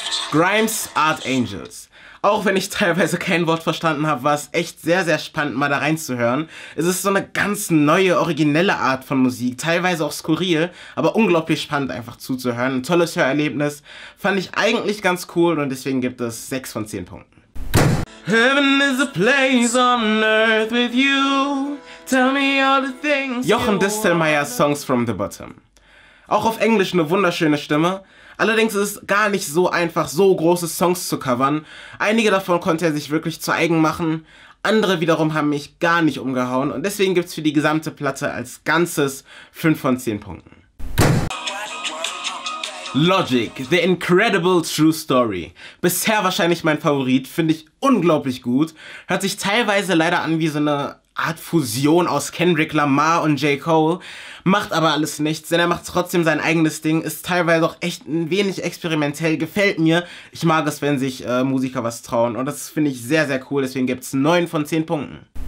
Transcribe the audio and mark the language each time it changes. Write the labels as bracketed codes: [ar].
[de] Grimes Art Angels. Auch wenn ich teilweise kein Wort verstanden habe, war es echt sehr, sehr spannend, mal da reinzuhören. Es ist so eine ganz neue, originelle Art von Musik, teilweise auch skurril, aber unglaublich spannend einfach zuzuhören. Ein tolles Hörerlebnis, fand ich eigentlich ganz cool und deswegen gibt es 6 von 10 Punkten. [en] Heaven is a place on earth with you. Tell me all the things. Jochen Distelmeyers Songs from the Bottom. [de] Auch auf Englisch eine wunderschöne Stimme. Allerdings ist es gar nicht so einfach, so große Songs zu covern. Einige davon konnte er sich wirklich zu eigen machen. Andere wiederum haben mich gar nicht umgehauen. Und deswegen gibt's für die gesamte Platte als Ganzes 5 von 10 Punkten. Logic, The Incredible True Story. Bisher wahrscheinlich mein Favorit. Finde ich unglaublich gut. Hört sich teilweise leider an wie so eine Art Fusion aus Kendrick Lamar und J. Cole, macht aber alles nichts, denn er macht trotzdem sein eigenes Ding, ist teilweise auch echt ein wenig experimentell, gefällt mir. Ich mag es, wenn sich Musiker was trauen und das finde ich sehr, sehr cool, deswegen gibt es 9 von 10 Punkten.